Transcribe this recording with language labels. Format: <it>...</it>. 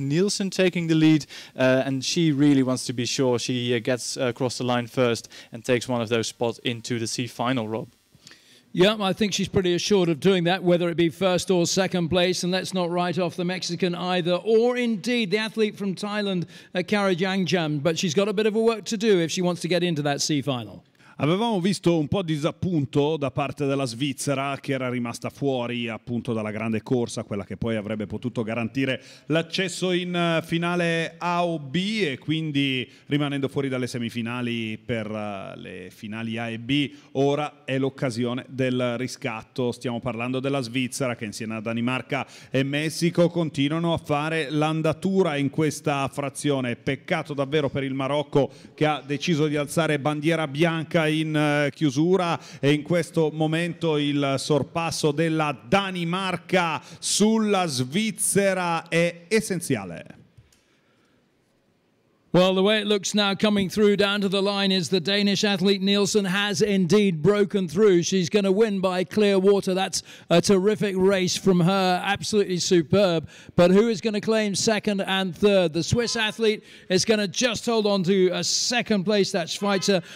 <en>Nielsen taking the lead, and she really wants to be sure she gets across the line first and takes one of those spots into the C-final, Rob. Yeah, I think she's pretty assured of doing that, whether it be first or second place, and let's not write off the Mexican either, or indeed the athlete from Thailand, Kara Jangjam, but she's got a bit of a work to do if she wants to get into that C-final.</en> <it>Avevamo visto un po' disappunto da parte della Svizzera, che era rimasta fuori appunto dalla grande corsa, quella che poi avrebbe potuto garantire l'accesso in finale A o B, e quindi rimanendo fuori dalle semifinali per le finali A e B, ora è l'occasione del riscatto. Stiamo parlando della Svizzera, che insieme a Danimarca e Messico continuano a fare l'andatura in questa frazione. Peccato davvero per il Marocco, che ha deciso di alzare bandiera bianca in chiusura, e in questo momento il sorpasso della Danimarca sulla Svizzera è essenziale.</it> <en>Well, the way it looks now coming through down to the line is the Danish athlete Nielsen has indeed broken through. She's going to win by clear water. That's a terrific race from her, absolutely superb. But who is going to claim second and third? The Swiss athlete is going to just hold on to a second place, that's Schweitzer.</en>